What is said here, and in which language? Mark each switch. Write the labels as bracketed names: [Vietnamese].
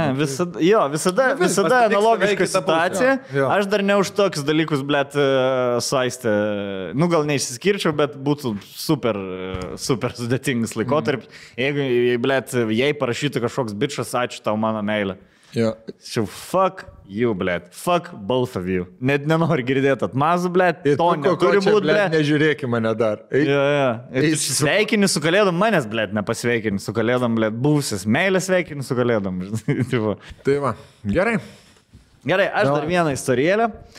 [Lithuanian] Ne, visada, jo, visada, ne, visada analogiška situacija. Jo. Aš dar ne už tokius dalykus, blėt, suaistę, nu gal neišsiskirčiau, bet būtų super, super sudėtingas laikotarpis, jeigu, blėt, jei parašytų kažkoks bičas, ačiū tau mano meilę. Jo. [English] So, fuck you, blėt, fuck both of you. [Lithuanian] Net nenori girdėti atmazų, blėt, ir to neturi būti, blėt. Nežiūrėk į mane dar. Sveikini su kalėdom, manęs, blėt, nepasveikini su kalėdom, blėt, buvusias meilės sveikini su kalėdom. Tai va, gerai. Gerai, aš dar vieną istorijėlę.